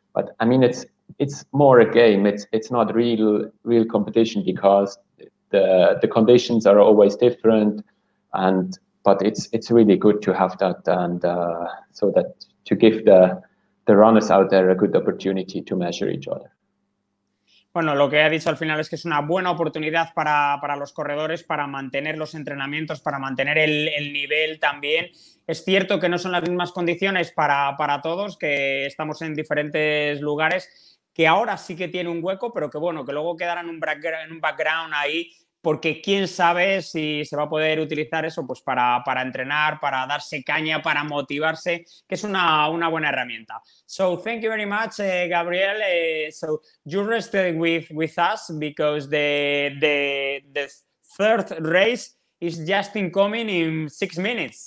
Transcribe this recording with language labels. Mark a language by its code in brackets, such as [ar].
[en] But I mean, it's more a game. It's not real competition, because the conditions are always different, but it's really good to have that, and so that to give the runners out there a good opportunity to measure each other. [es] Bueno, lo que ha dicho al final es que es una buena oportunidad para los corredores, para mantener los entrenamientos, para mantener el nivel también. Es cierto que no son las mismas condiciones para todos, que estamos en diferentes lugares, que ahora sí que tiene un hueco, pero que bueno, que luego quedará en un background ahí, porque quién sabe si se va a poder utilizar eso pues para entrenar, para darse caña, para motivarse, que es una buena herramienta. [en] So thank you very much, Gabriel. So you rested with us, because the third race is just incoming in 6 minutes.